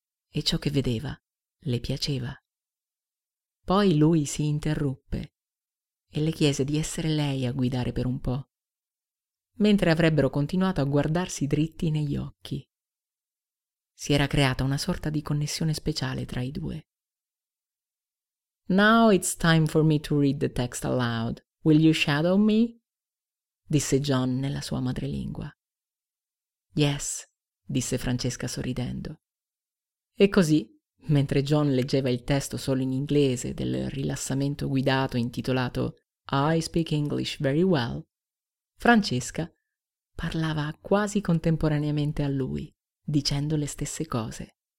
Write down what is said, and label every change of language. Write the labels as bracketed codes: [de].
[it] E ciò che vedeva le piaceva. Poi lui si interruppe e le chiese di essere lei a guidare per un po', mentre avrebbero continuato a guardarsi dritti negli occhi. Si era creata una sorta di connessione speciale tra i due. [en] «Now it's time for me to read the text aloud. Will you shadow me?» [it] disse John nella sua madrelingua. «Yes», disse Francesca sorridendo. E così, mentre John leggeva il testo solo in inglese del rilassamento guidato intitolato [en] «I speak English very well», [it] Francesca parlava quasi contemporaneamente a lui, dicendo le stesse cose.